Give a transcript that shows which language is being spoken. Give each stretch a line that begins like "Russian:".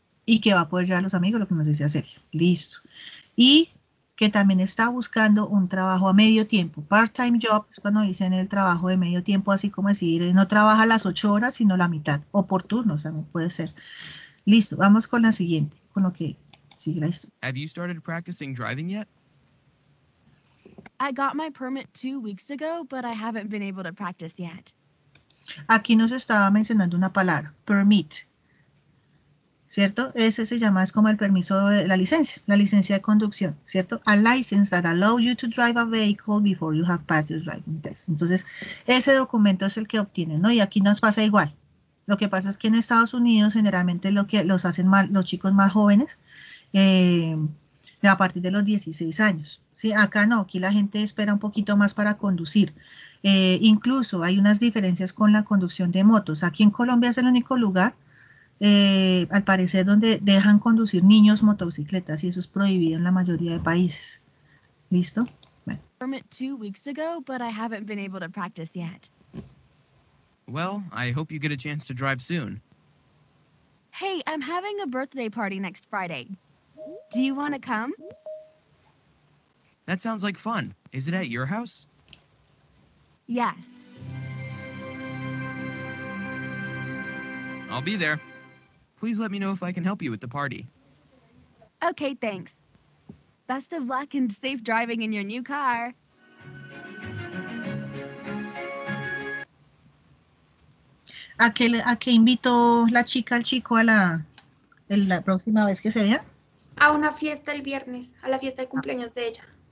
Spanish: Y que va a poder llevar a los amigos, lo que nos decía Sergio. Listo. Y que también está buscando un trabajo a medio tiempo. Part-time job es cuando dicen el trabajo de medio tiempo, así como decir, no trabaja las 8 horas, sino la mitad, o por turno, o sea, no puede ser. Listo, vamos con la siguiente, con lo que sigue la historia.
English: Have you started practicing driving yet? I got my permit 2 weeks ago, but I haven't been able to practice yet.
Spanish: Aquí nos estaba mencionando una palabra, permit, ¿cierto? Ese se llama, es como el permiso de la licencia de conducción, ¿cierto?
English: A license that allows you to drive a vehicle before you have passed your driving test.
Spanish: Entonces, ese documento es el que obtienen, ¿no? Y aquí nos pasa igual. Lo que pasa es que en Estados Unidos, generalmente lo que los hacen más, los chicos más jóvenes, a partir de los 16 años, ¿sí? Acá no, aquí la gente espera un poquito más para conducir. Incluso hay unas diferencias con la conducción de motos. Aquí en Colombia es el único lugar, al parecer, donde dejan conducir niños motocicletas y eso es prohibido en la mayoría de países. ¿Listo? Bueno.
English: Permit 2 weeks ago, but I haven't been able to practice yet. Well, I hope you get a chance to drive soon. Hey, I'm having a birthday party next Friday. Do you want to come? That sounds like fun. Is it at your house? Yes. I'll be there. Please let me know if I can help you with the party. Okay, thanks. Best of luck and safe driving in your new car.
Spanish: ¿A qué invitó la chica al chico a la próxima vez que se vea? A una fiesta el viernes, a la fiesta de cumpleaños de ella.